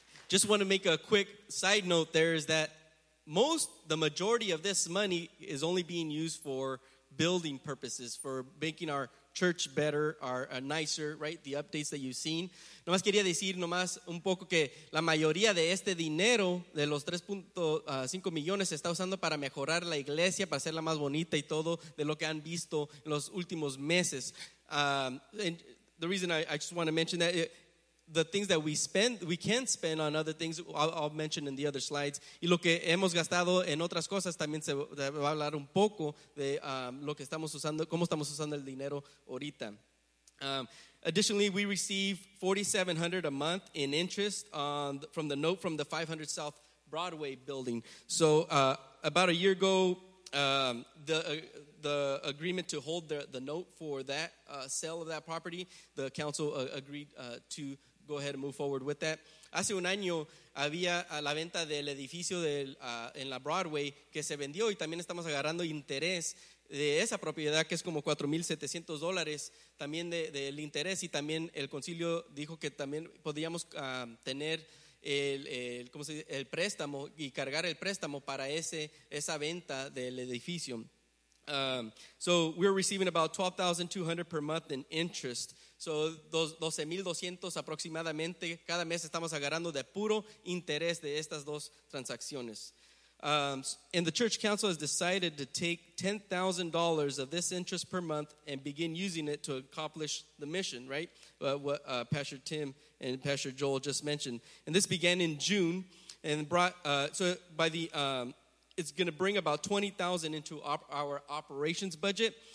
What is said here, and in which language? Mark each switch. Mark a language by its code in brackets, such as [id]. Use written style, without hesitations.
[en] Just want to make a quick side note there is that the majority of this money is only being used for building purposes, for making our church better, our nicer, right? The updates that you've seen. [es] Nomás quería decir nomás un poco que la mayoría de este dinero, de los 3.5 millones, se está usando para mejorar la iglesia, para hacerla más bonita y todo de lo que han visto en los últimos meses. [en] The reason I just want to mention that, the things that we can't spend on other things, I'll mention in the other slides. [es] Y lo que hemos gastado en otras cosas, también se va a hablar un poco de lo que estamos usando, cómo estamos usando el dinero ahorita. [en] Additionally, we receive $4,700 a month in interest from the note from the 500 South Broadway building. So about a year ago, the agreement to hold the note for that sale of that property, the council agreed to go ahead and move forward with that. [es] Hace un año había la venta del edificio en la Broadway que se vendió y también estamos agarrando interés de esa propiedad que es como $4,700 también del interés y también el concilio dijo que también podríamos tener el préstamo y cargar el préstamo para esa venta del edificio. [en] So we're receiving about $12,200 per month in interest. [es] So $12,200 aproximadamente cada mes estamos agarrando de puro interés de estas dos transacciones. [en] And the church council has decided to take $10,000 of this interest per month and begin using it to accomplish the mission, right? What Pastor Tim and Pastor Joel just mentioned. And this began in June and brought, it's going to bring about $20,000 into our operations budget.